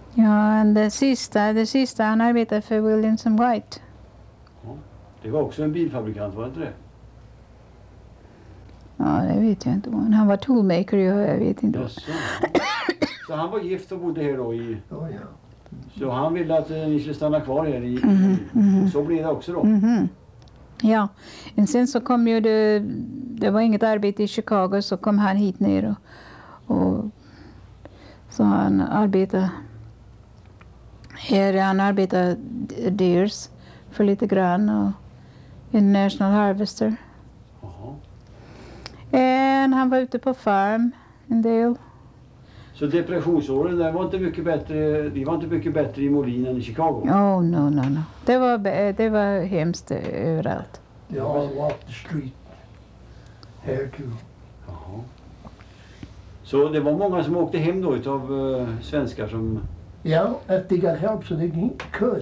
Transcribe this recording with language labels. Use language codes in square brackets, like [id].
[en] Yeah, and the sister, and I met her for Williamson White. [sv] Det var också en bilfabrikant, var inte det? Ja, det vet jag inte. Han var toolmaker, jag vet inte. Ja, så han var gift och bodde här då i... Ja, mm. Så han ville att ni skulle stanna kvar här i... Mm-hmm. Och så blev det också då. Mm-hmm. Ja, och sen så kom ju det... Det var inget arbete i Chicago, så kom han hit ner och så han arbetade... Här han arbetade Deers för lite grann och International Harvester. Och han var ute på farm en del. Så depressionsåren där var inte mycket bättre. Det var inte mycket bättre i Molin än i Chicago. [en] Oh no no no. [sv] Det var hemskt överallt. [en] They all walked the street here too. [sv] Jaha. Så det var många som åkte hem då utav svenskar som. [en] Ja, yeah, they got help so they could.